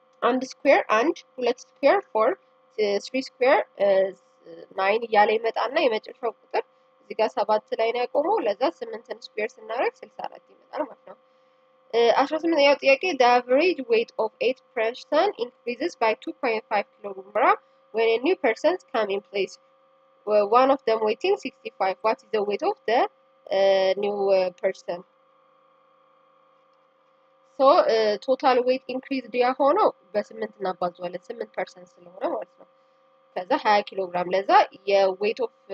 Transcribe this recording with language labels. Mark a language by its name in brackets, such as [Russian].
[Amharic] አንድ ስኩዌር 1 ሁለት ስኩዌር 4 3 ስኩዌር 9 እያለ ይመጣና የመጨረሻው ቁጥር እዚህ ጋር 7 ላይ ነው ያቆመው። ለዛ 8 ን ስኩዌር ስናደርግ 64 ይመጣል ማለት ነው። 18 ያው ጥያቄ [English] the average weight of 8 person increases by 2.5 kg when a new person comes in place. One of them weighing 65. What is the weight of the new person? So total weight increased [Amharic] ያ ሆኖ በ8 እናባዛዋለን 8 person ስለሆነ ማለት ነው። ከዛ 20 ኪሎ ግራም ለዛ የዌት ኦፍ